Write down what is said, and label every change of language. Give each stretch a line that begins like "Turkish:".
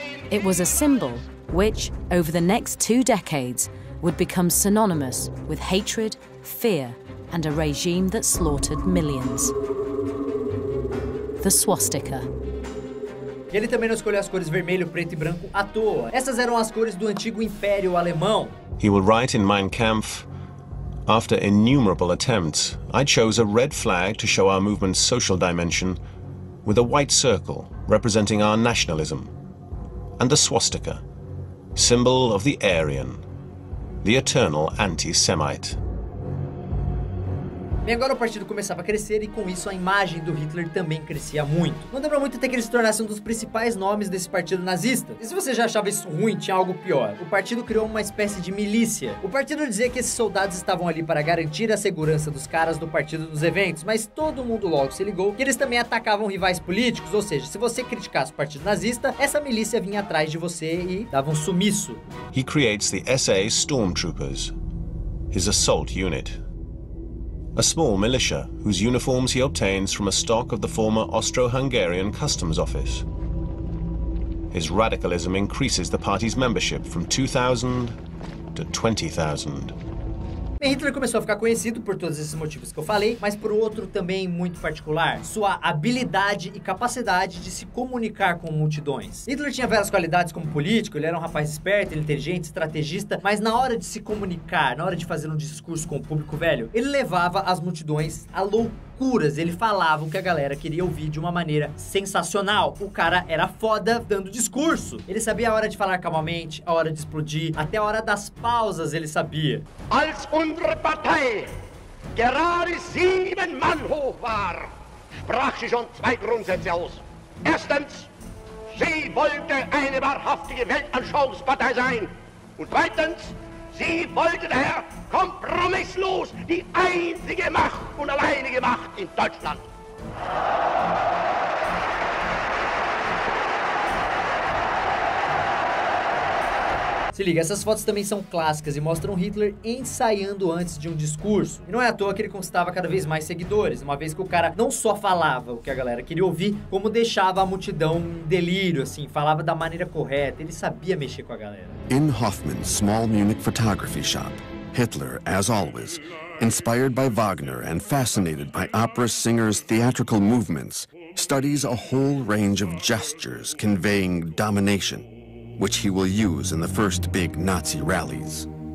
English: It was a symbol which, over the next two decades, would become synonymous with hatred, fear, and a regime that slaughtered millions. The swastika.
Portuguese: E ele também não escolheu as cores vermelho, preto e branco à toa. Essas eram as cores do antigo Império Alemão.
English: He will write in Mein Kampf, after innumerable attempts, I chose a red flag to show our movement's social dimension, with a white circle representing our nationalism, and the swastika, symbol of the Aryan, the eternal anti-Semite.
Portuguese: E agora o partido começava a crescer e com isso a imagem do Hitler também crescia muito. Não demorou muito até que ele se tornasse um dos principais nomes desse partido nazista. E se você já achava isso ruim, tinha algo pior. O partido criou uma espécie de milícia. O partido dizia que esses soldados estavam ali para garantir a segurança dos caras do partido nos eventos, mas todo mundo logo se ligou que eles também atacavam rivais políticos, ou seja, se você criticasse o partido nazista, essa milícia vinha atrás de você e dava um sumiço.
English: He creates the SA Stormtroopers, his assault unit. A small militia whose uniforms he obtains from a stock of the former Austro-Hungarian Customs Office. His radicalism increases the party's membership from 2,000 to 20,000.
Portuguese: Hitler começou a ficar conhecido por todos esses motivos que eu falei, mas por outro também muito particular, sua habilidade e capacidade de se comunicar com multidões. Hitler tinha várias qualidades como político, ele era um rapaz esperto, inteligente, estrategista, mas na hora de se comunicar, na hora de fazer um discurso com o público velho, ele levava as multidões à loucuras, ele falava o que a galera queria ouvir de uma maneira sensacional. O cara era foda dando discurso. Ele sabia a hora de falar calmamente, a hora de explodir, até a hora das pausas ele sabia.
German: Als unsere Partei gerade 7 Mann hoch war, sprach sie schon 2 Grundsätze aus. Erstens, sie wollte eine wahrhaftige Weltanschauungspartei sein. Und zweitens, sie wollte daher kompromisslos die einzige Macht und alleinige Macht in Deutschland.
Portuguese: Se liga, essas fotos também são clássicas e mostram Hitler ensaiando antes de um discurso. E não é à toa que ele conquistava cada vez mais seguidores, uma vez que o cara não só falava o que a galera queria ouvir, como deixava a multidão em delírio, assim, falava da maneira correta, ele sabia mexer com a galera.
English: In Hoffman's small Munich photography shop, Hitler, as always, inspired by Wagner and fascinated by opera singers' theatrical movements, studies a whole range of gestures conveying domination, which he will use in the first big Nazi rallies.